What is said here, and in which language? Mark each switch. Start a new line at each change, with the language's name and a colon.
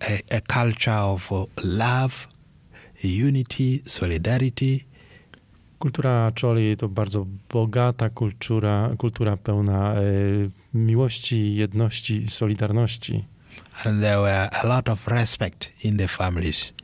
English: A culture of love, unity, solidarity.
Polish: Kultura Acholi to bardzo bogata kultura, kultura pełna miłości, jedności i solidarności.
English: And there were a lot of respect in the families.